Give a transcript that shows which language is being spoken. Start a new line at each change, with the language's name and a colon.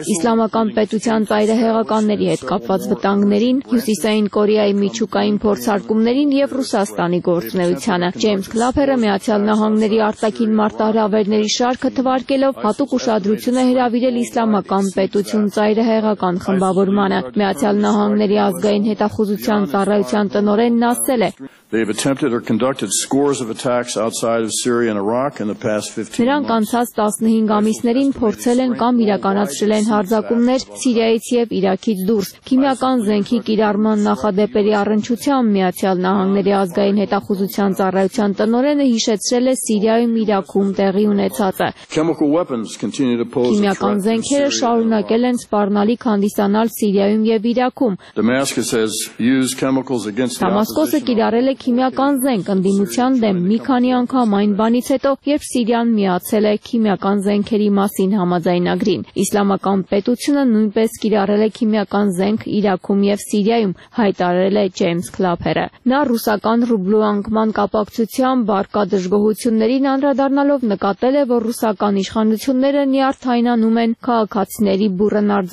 Armenian: Իսլամական պետության ծայրահեղականների հետ կապված վտանգներին, Հյուսիսային Կորեայի միջուկային փորձարկումներին և Ռուսաստանի գործունեությանը։ Ջեյմս Քլափերը Միացյալ Նահանգների արտաքին մարտահրավերների շարքը թվարկելով հատուկ ուշադրություն է հրավիրել Իսլամական պետություն ծայրահեղական խմբավորմանը։ Միացյալ Նահանգների ազգային հետախուզության ծառայության տնօրենն ասել է.
English: They have attempted or conducted scores of attacks outside of Syria and Iraq in the past 15 months.
Armenian: Նրանք անցած 15 ամիսներին փորձել են կամ իրականացրել են հարձակումներ Սիրիայից և Իրաքից դուրս։ Քիմիական զենքի կիրառման նախադեպերի առնչությամբ Միացյալ Նահանգների ազգային հետախուզության ծառայության տնօրենը հիշեցրել է Սիրիայում Իրաքում տեղի ունեցածը։
English: Chemical weapons continue to pose.
Armenian: Քիմիական զենքերը շարունակել են սպառնալիք հանդիսանալ Սիրիայում և Իրաքում։
English: Damascus has used chemicals against the opposition.
Armenian: Ել է քիմիական զենք ընդդիմության դեմ մի քանի անգամ այն բանից հետո, երբ Սիրիան միացել է քիմիական զենքերի մասին համաձայնագրին։ Իսլամական պետությունը նույնպես կիրառել է քիմիական զենք Իրաքում և Սիրիայում, հայտարարել է Ջեյմս Քլափերը։ Նա ռուսական ռուբլու անկման կապակցությամբ արկա դժգոհություններին անդրադառնալով նկատել է, որ ռուսական իշխանությունները նյարդայնանում են քաղաքացիների բուրըն